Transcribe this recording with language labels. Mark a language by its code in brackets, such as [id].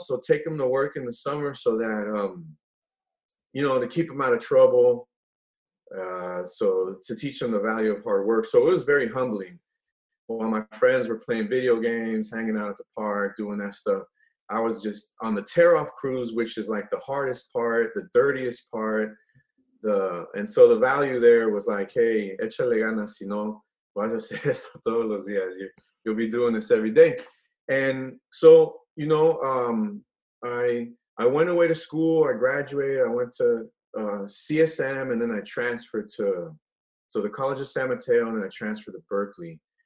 [en] So take him to work in the summer so that, you know, to keep him out of trouble. So to teach him the value of hard work. So it was very humbling. While my friends were playing video games, hanging out at the park, doing that stuff, I was just on the tear off cruise, which is like the hardest part, the dirtiest part. And so the value there was like, [es] hey, échale ganas, si no, vas a hacer esto todos los días. [en] You'll be doing this every day. And so, you know, I went away to school. I graduated. I went to CSM, and then I transferred to the College of San Mateo, and then I transferred to Berkeley.